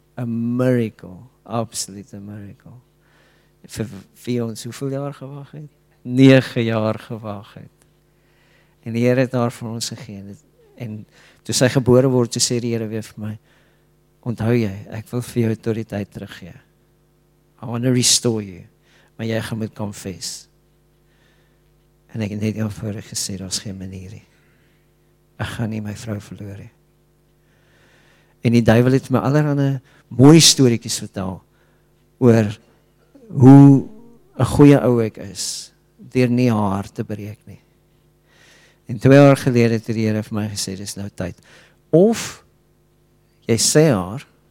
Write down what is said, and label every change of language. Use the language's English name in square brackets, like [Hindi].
[English] A miracle, absolute miracle. [Afrikaans] Vir wie ons hoeveel jaar gewag het? 9 jaar gewag het. En die Here het daar vir ons gegee. En toe sy gebore word, toe sê die Here weer vir my, onthou jy, ek wil vir jou autoriteit teruggee. [English] I want to restore you, [Afrikaans] maar jy gaan moet confess. En ek het net eenvoudig gesê, daar is geen manier. Ek gaan nie my vrou verloor. En die duivel het my allerhande mooie storiekies vertel, oor hoe 'n goeie ou ek is, deur nie haar hart te breek nie. En 2 jaar gelede het die Here vir my gesê, dis nou tyd. Of jy sê haar,